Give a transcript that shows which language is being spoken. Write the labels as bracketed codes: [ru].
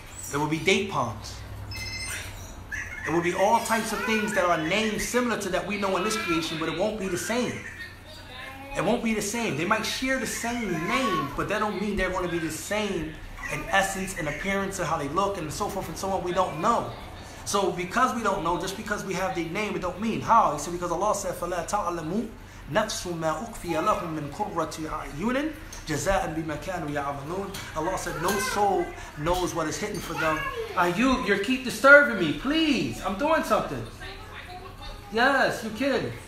[en] There will be date palms. There will be all types of things that are named similar to that we know in this creation, but it won't be the same. It won't be the same. They might share the same name, but that don't mean they're going to be the same in essence and appearance and how they look and so forth and so on. We don't know. So because we don't know, just because we have the name, it don't mean. How? He said, because Allah said, [ar] فَلَا تَعْلَمُوا نَفْسُ مَا أُخْفِيَ لَهُمْ مِنْ قُرَّةِ عَيُّنٍ جَزَاءً بِمَا كَانُوا يَعْمَلُونَ. [en] Allah said, no soul knows what is hidden for them. Ayub, you keep disturbing me. Please, I'm doing something. Yes, you kid.